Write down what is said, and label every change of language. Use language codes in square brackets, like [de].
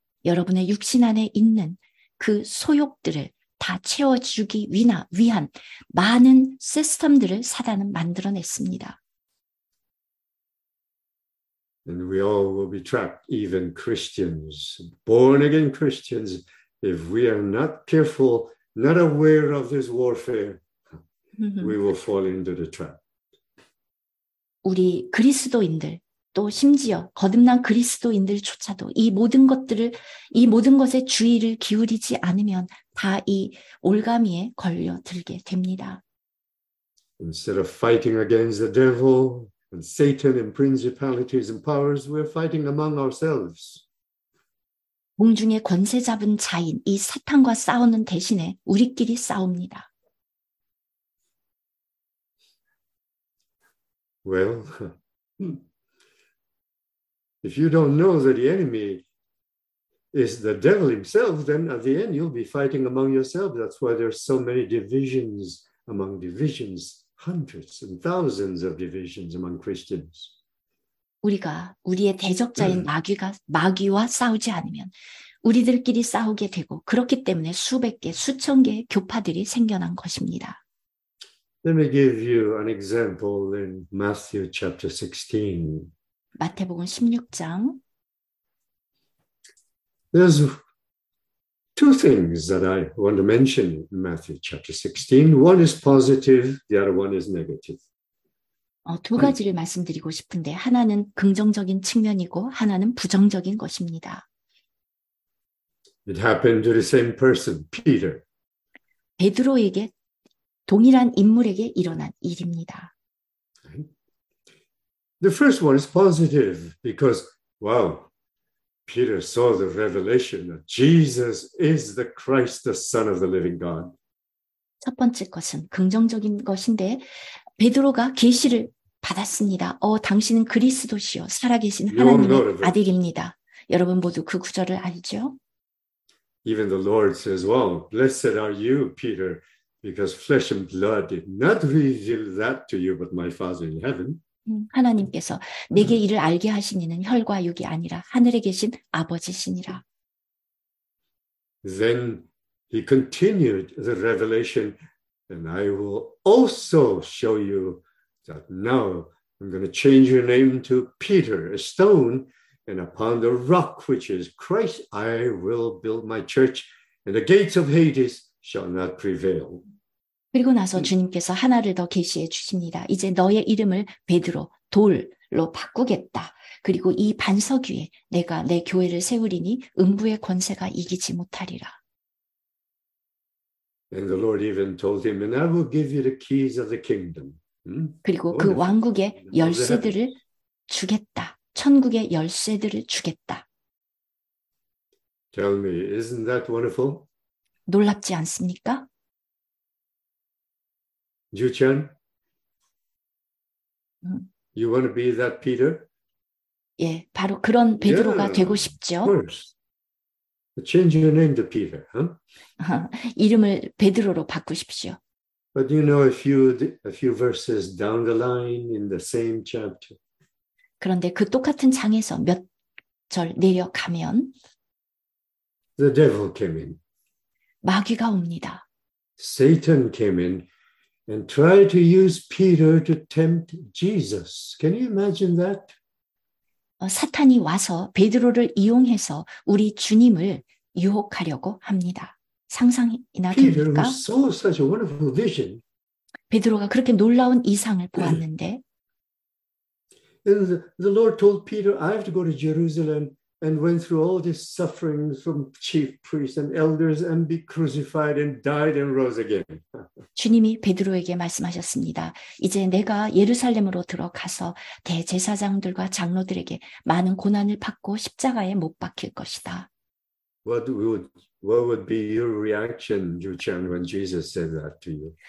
[ko] 여러분의 육신 안에 있는 그 소욕들을 다 채워주기 위한 많은 시스템들을 사단은 만들어냈습니다. [en] And we all will be trapped, even Christians, born again Christians, if we are not careful, not aware of this warfare, we will fall into the trap. [ko] 우리 그리스도인들 또 심지어 거듭난 그리스도인들조차도 이 모든 것들을 이 모든 것에 주의를 기울이지 않으면 다 이 올가미에 걸려들게 됩니다. [en] Instead of fighting against the devil and Satan and principalities and powers, we're fighting among ourselves. [ko] 공중의 권세 잡은 자인 이 사탄과 싸우는 대신에 우리끼리 싸웁니다. [en] Well. If you don't know that the enemy is the devil himself, then at the end you'll be fighting among yourselves. That's why there are so many divisions among divisions, hundreds and thousands of divisions among Christians. [ko] 우리가 우리의 대적자인 마귀와 싸우지 않으면 우리들끼리 싸우게 되고 그렇기 때문에 수백 개, 수천 개의 교파들이 생겨난 것입니다. [en] Let me give you an example in Matthew chapter 16. [ko] 마태복음 16장 [en] There's two things that I want to mention in Matthew chapter 16. One is positive, the other one is negative. [ko] 두 가지를 말씀드리고 싶은데 하나는 긍정적인 측면이고 하나는 부정적인 것입니다. [en] It happened to the same person, Peter. [ko] 베드로에게 동일한 인물에게 일어난 일입니다. [en] The first one is positive because, wow, Peter saw the revelation that Jesus is the Christ, the Son of the living God. [ko] 첫 번째 것은 긍정적인 것인데, 베드로가 계시를 받았습니다. 당신은 그리스도시요, 살아계신 하나님의 아들입니다. 여러분 모두 그 구절을 알죠? [en] Even the Lord says, wow, blessed are you, Peter, because flesh and blood did not reveal that to you, but my Father in heaven. [ko] 하나님께서 내게 이를 알게 하신 이는 혈과 육이 아니라 하늘에 계신 아버지시니라. [en] Then he continued the revelation, and I will also show you that now I'm going to change your name to Peter, a stone, and upon the rock which is Christ, I will build my church, and the gates of Hades shall not prevail. [ko] 그리고 나서 주님께서 하나를 더 계시해 주십니다. 이제 너의 이름을 베드로, 돌로 바꾸겠다. 그리고 이 반석 위에 내가 내 교회를 세우리니 음부의 권세가 이기지 못하리라. [en] And the Lord even told him, and I will give you the keys of the kingdom. [ko] 그리고 그 왕국의 열쇠들을 주겠다. 천국의 열쇠들을 주겠다. [en] Tell me, isn't that wonderful? [ko] 놀랍지 않습니까? [en] Ju-chan, you want to be that Peter? [ko] 예, 바로 그런 베드로가 yeah, 되고 싶죠. [en] Of course. Change your name to Peter, huh? [ko] 이름을 베드로로 바꾸십시오. [en] But you know a few verses down the line in the same chapter. [ko] 그런데 그 똑같은 장에서 몇 절 내려가면 [en] The devil came in. [ko] 마귀가 옵니다. [en] Satan came in. And try to use Peter to tempt Jesus. Can you imagine that? [ko] 사탄이 와서 베드로를 이용해서 우리 주님을 유혹하려고 합니다. 상상이나 됩니까? [en] Peter saw such a wonderful vision. [ko] 베드로가 그렇게 놀라운 이상을 보았는데. [en] And the Lord told Peter, I have to go to Jerusalem and went through all this suffering from chief priests and elders and be crucified and died and rose again. [ko] 주님이 베드로에게 말씀하셨습니다. 이제 내가 예루살렘으로 들어가서 대제사장들과 장로들에게 많은 고난을 받고 십자가에 못 박힐 것이다. [en] What would be your reaction, Ju-chan, when Jesus said that to you?